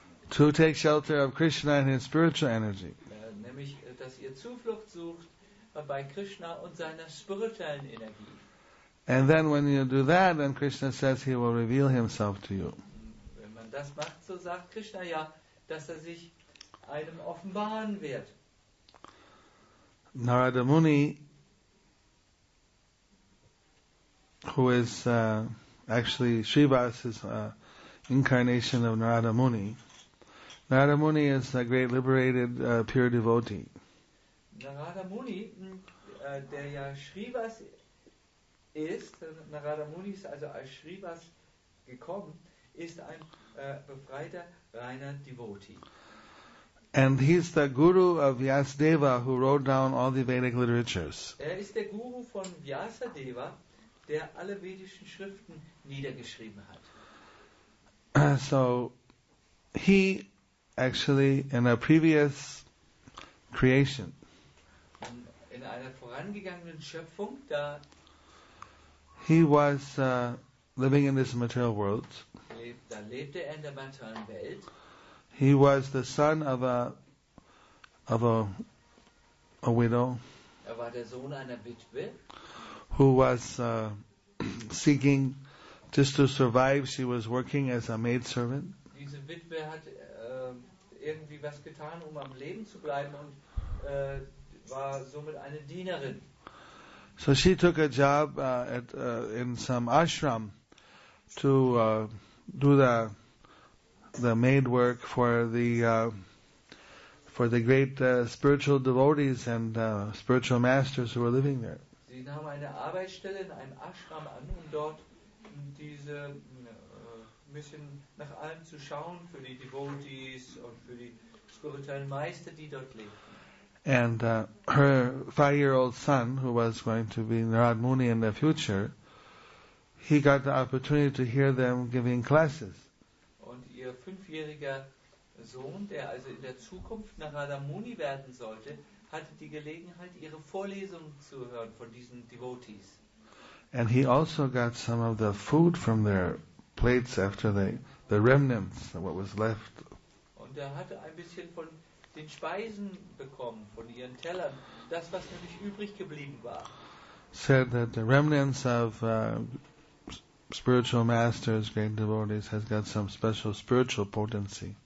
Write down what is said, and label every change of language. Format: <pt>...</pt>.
<en>To take shelter of Krishna and his spiritual energy.</en> <de>Nämlich, dass ihr Zuflucht sucht bei Krishna und seiner spirituellen Energie.</de> <en>And then when you do that, then Krishna says he will reveal himself to you.</en> <de>Wenn man das macht, so sagt Krishna ja, dass sich einem offenbaren wird.</de> <en>Narada Muni, who is actually Srivas, is incarnation of Narada Muni. Narada Muni is a great liberated pure devotee.</en> <de>Narada Muni, der ja Srivas ist, Narada Muni ist also als Srivas gekommen, ist ein befreiter, reiner Devotee.</de> <en>And he's the guru of Vyasadeva, who wrote down all the Vedic literatures.</en> <de>Er ist der Guru von Vyasadeva, der alle vedischen Schriften niedergeschrieben hat.</de> <en>So, he actually, in a previous creation,</en> <de>in einer vorangegangenen Schöpfung, da</de> <en>he was living in this material world.</en> <de>Da lebte er in der materiellen Welt.</de> <en>He was the son of a widow.</en> <de>Er war der Sohn einer Witwe.</de> <en>Who was seeking just to survive. She was working as a maidservant.</en> <de>Diese Witwe hat irgendwie was getan, um am Leben zu bleiben, und war somit eine Dienerin.</de> <en>So she took a job in some ashram to do the maid work for the great spiritual devotees and spiritual masters who were living there.</en> <de>Sie nahm eine Arbeitsstelle in einem Ashram an, um dort diese Mission nach allem zu schauen für die Devotees und für die spirituellen Meister, die dort leben.</de> <en>And her five-year-old son, who was going to be Narad Muni in the future, he got the opportunity to hear them giving classes.</en> <de>Ihr fünfjähriger Sohn, der also in der Zukunft Narada Muni werden sollte, hatte die Gelegenheit, ihre Vorlesungen zu hören von diesen Devotees.</de> <en>And he also got some of the food from their plates after the remnants, what was left.</en> <de>Und er hatte ein bisschen von den Speisen bekommen, von ihren Tellern, das, was nämlich übrig geblieben war.</de> <en>Said that the remnants of spiritual masters, great devotees, has got some special spiritual potency.</en>